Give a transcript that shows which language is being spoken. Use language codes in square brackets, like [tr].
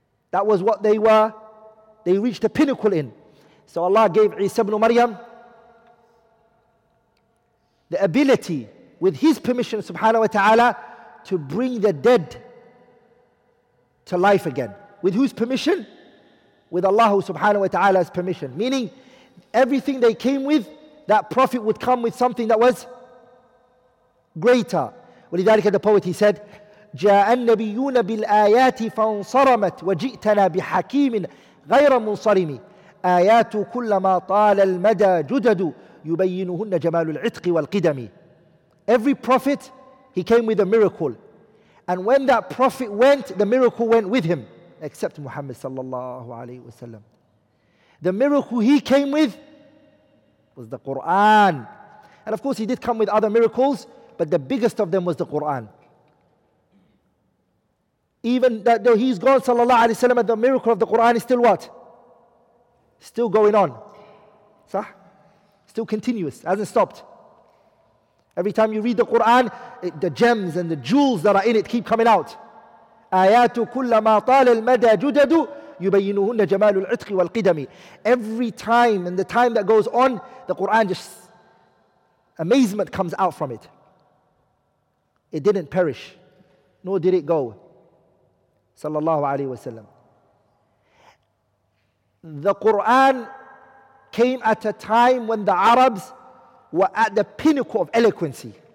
[en] That was what they were. They reached a pinnacle in. So Allah gave Isa ibn Maryam the ability, with his permission, subhanahu wa ta'ala, to bring the dead to life again. With whose permission? With Allah subhanahu wa ta'ala's permission. Meaning, everything they came with, that prophet would come with something that was greater. [ar] ولذلك [en] the poet, he said, [ar] جاء النبيون بالآيات فانصرمت وجئتنا بحكيم غير منصرم آيات كلما طال المدى جدد يبينهن جمال العتق والقدم. [en] Every prophet, he came with a miracle. And when that prophet went, the miracle went with him. Except Muhammad sallallahu alayhi wa sallam. The miracle he came with was the Qur'an. And of course he did come with other miracles, but the biggest of them was the Qur'an. Even that though he's gone sallallahu alayhi wa sallam, the miracle of the Qur'an is still what? Still going on. Sah? Still continuous, hasn't stopped. Every time you read the Qur'an, the gems and the jewels that are in it keep coming out. [ar] آيات كلما طال المدى جدد يبينهن جمال العتق والقدم. [en] Every time and the time that goes on, the Qur'an just, amazement comes out from it. It didn't perish, nor did it go. Sallallahu alayhi wa sallam. The Qur'an came at a time when the Arabs were at the pinnacle of eloquency.